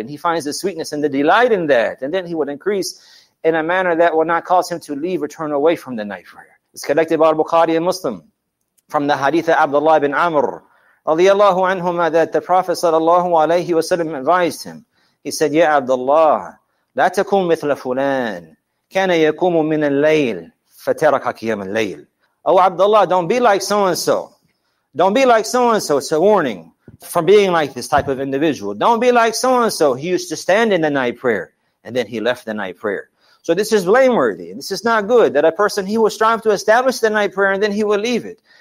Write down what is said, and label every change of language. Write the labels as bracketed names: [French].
[English] And he finds the sweetness and the delight in that. And then he would increase in a manner that will not cause him to leave or turn away from the night prayer. It's collected by al-Bukhari and Muslim from the hadith of Abdullah ibn Amr, radiallahu anhuma, that the Prophet sallallahu alayhi wa sallam advised him. He said, [Arabic] Ya Abdullah, لا تكون مثل فلان كان يقوم من الليل فتركك قيام الليل. [English] Oh Abdullah, don't be like so-and-so. Don't be like so-and-so. It's a warning from being like this type of individual. Don't be like so-and-so. He used to stand in the night prayer and then he left the night prayer. So this is blameworthy. This is not good that a person, he will strive to establish the night prayer and then he will leave it.